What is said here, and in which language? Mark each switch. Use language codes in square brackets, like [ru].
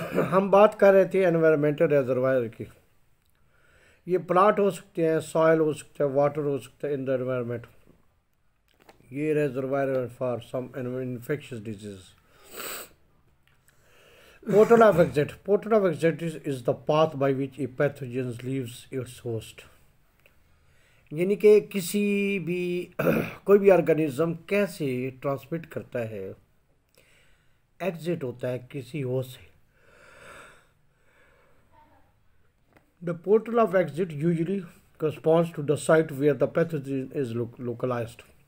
[ur] ہم بات کر رہے تھے انوائرمنٹل ریزروائر کی. یہ پلانٹ ہو سکتے ہیں, سوائل ہو سکتا ہے, واٹر ہو سکتا ہے, [en] In the environment. یہ reservoir for some infectious disease. Portal of exit, portal of exit is the path by which a pathogens leaves its host. [ur] یعنی کہ کسی بھی کوئی بھی آرگنیزم کیسے ٹرانسمٹ کرتا ہے, ایگزٹ ہوتا ہے کسی ہو سے. [en] The portal of exit usually corresponds to the site where the pathogen is localized.